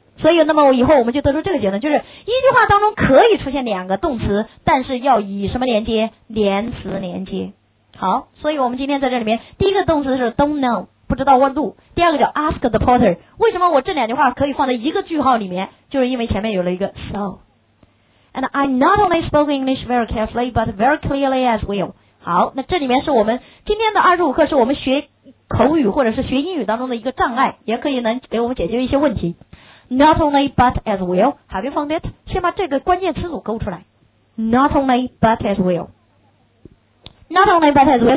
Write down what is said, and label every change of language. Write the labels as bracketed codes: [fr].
[zh] 所以那么以后我们就得出这个结论，就是一句话当中可以出现两个动词，但是要以什么连接？连词连接。好，所以我们今天在这里面第一个动词是 [en] don't know， [zh] 不知道问路，第二个叫 [en] ask the porter。 [zh] 为什么我这两句话可以放在一个句号里面？就是因为前面有了一个 so。 [en] And I not only spoke English very carefully but very clearly as well。 [zh] 好，那这里面是我们今天的25课是我们学口语或者是学英语当中的一个障碍，也可以能给我们解决一些问题。 [en] Not only but as well. Have you found it? [zh] 先把这个关键词组勾出来。 [en] Not only but as well. Not only but as well.